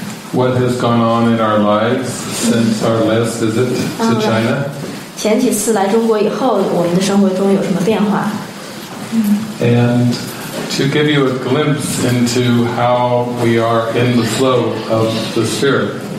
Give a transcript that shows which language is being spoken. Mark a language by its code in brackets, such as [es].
[en] What has gone on in our lives since our last visit to China? [zh] 前几次来中国以后，我们的生活中有什么变化？ [en] And to give you a glimpse into how we are in the flow of the spirit.